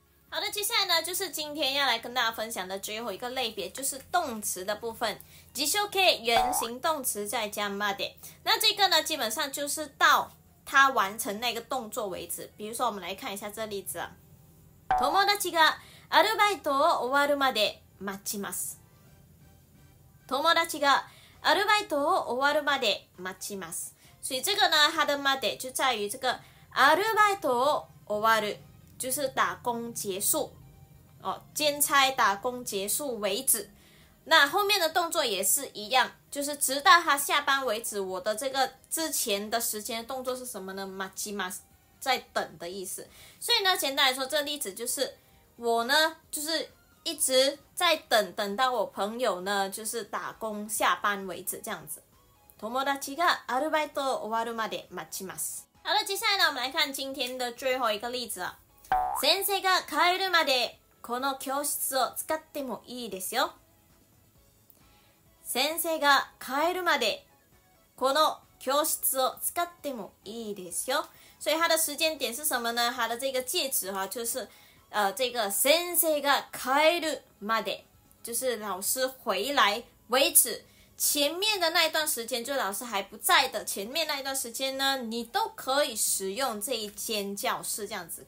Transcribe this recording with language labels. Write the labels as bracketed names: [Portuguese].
[Chinese] 好的，接下来呢，就是今天要来跟大家分享的最后一个类别，就是动词的部分。辞書系原型动词再加まで。那这个呢，基本上就是到他完成那个动作为止。比如说，我们来看一下这例子啊。 [Japanese] 友達がアルバイトを終わるまで待ちます。友達がアルバイトを終わるまで待ちます。 [Chinese] 所以这个呢，他的まで就在于这个 [Japanese] アルバイトを終わる。 [Chinese] 就是打工结束哦，兼差打工结束为止，那后面的动作也是一样，就是直到他下班为止，我的这个之前的时间动作是什么呢？待ちます，在等的意思。所以呢，简单来说，这个例子就是我呢，就是一直在等，等到我朋友呢，就是打工下班为止，这样子。 [Japanese] 友達がアルバイト終わるまで待ちます。 [Chinese] 好了，接下来呢，我们来看今天的最后一个例子啊。 [Japanese] 先生が帰るまでこの教室を使ってもいいですよ。先生が帰るまでこの教室を使ってもいいですよ。 [Chinese] 所以它的时间点是什么呢？它的这个介词哈，就是这个 [Japanese] 先生が帰るまで， [Chinese] 就是老师回来为止。前面的那一段时间，就老师还不在的前面那一段时间呢，你都可以使用这一间教室，这样子。